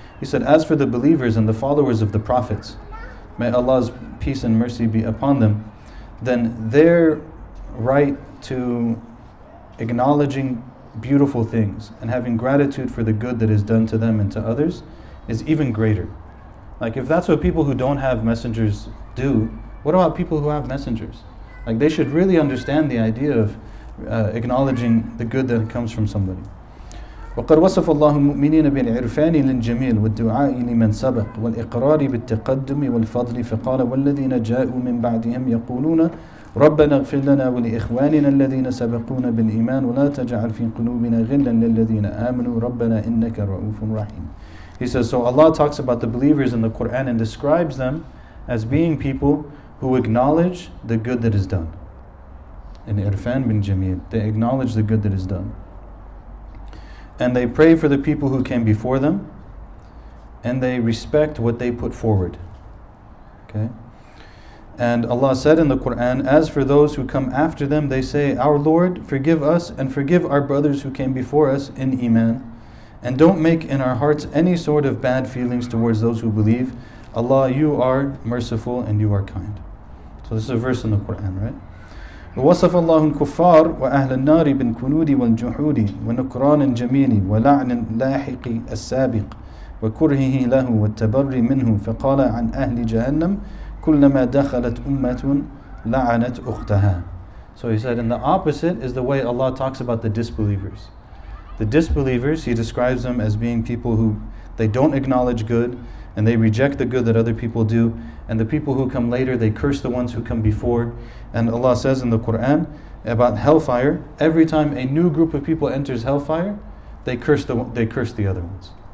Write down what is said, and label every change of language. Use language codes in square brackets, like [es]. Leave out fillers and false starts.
[en] He said, as for the believers and the followers of the prophets, may Allah's peace and mercy be upon them, then their right to acknowledging beautiful things and having gratitude for the good that is done to them and to others is even greater. Like, if that's what people who don't have messengers do, what about people who have messengers? Like, they should really understand the idea of acknowledging the good that comes from somebody. [ar] وقد وصف الله المؤمنين بالعرفان للجميل والدعاء لمن سبق والإقرار بالتقدم والفضل فقال والذين جاءوا من بعدهم يقولون ربنا اغفر لنا ولإخواننا الذين سبقونا بالإيمان ولا تجعل في قلوبنا غلا للذين آمنوا ربنا إنك رؤوف رحيم. [en] He says, so Allah talks about the believers in the Quran and describes them as being people who acknowledge the good that is done. In Irfan bin Jamil, they acknowledge the good that is done. And they pray for the people who came before them, and they respect what they put forward. Okay. And Allah said in the Quran, as for those who come after them, they say, our Lord, forgive us and forgive our brothers who came before us in Iman, and don't make in our hearts any sort of bad feelings towards those who believe. Allah, you are merciful and you are kind. So this is a verse in the Quran, right? [ar] ووصف الله الكفار وأهل النار بالكنود والجحود ونكران الجميل ولعن اللاحق السابق وكرهه له والتبري منه فقال عن أهل جهنم كلما دخلت أمة لعنت أختها. [en] So he said, and the opposite is the way Allah talks about the disbelievers. The disbelievers, he describes them as being people who they don't acknowledge good and they reject the good that other people do. And the people who come later, they curse the ones who come before. And Allah says in the Quran about hellfire, every time a new group of people enters hellfire, they curse the other ones.